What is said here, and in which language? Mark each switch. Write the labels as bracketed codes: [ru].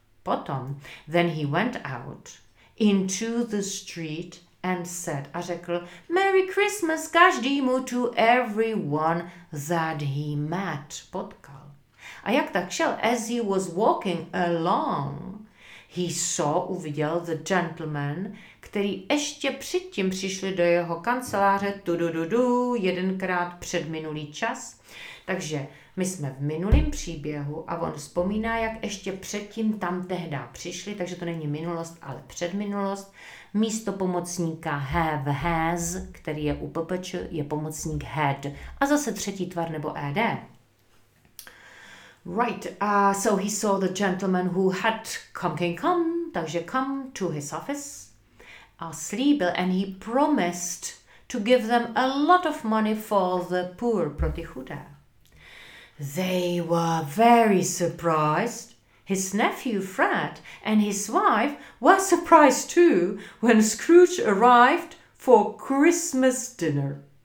[en] Potom, then he went out into the street and said, [cs] a řekl, [en] Merry Christmas každému, to everyone that he met, potkal. [cs] A jak tak šel, [en] as he was walking along, he saw, [cs] uviděl [en] the gentleman, [cs] který ještě předtím přišli do jeho kanceláře, jedenkrát před minulý čas. Takže my jsme v minulém příběhu a on vzpomíná, jak ještě předtím tam tehda přišli, takže to není minulost, ale předminulost. Místo pomocníka have, has, který je u PPČ, je pomocník had. A zase třetí tvar nebo ed. [en] Right, so he saw the gentleman who had come, takže come to his office. [cs] A slíbil, [en] and he promised to give them a lot of money for the poor, [cs] pro ty chudé. [en] They were very surprised. His nephew Fred and his wife were surprised too when Scrooge arrived for Christmas dinner.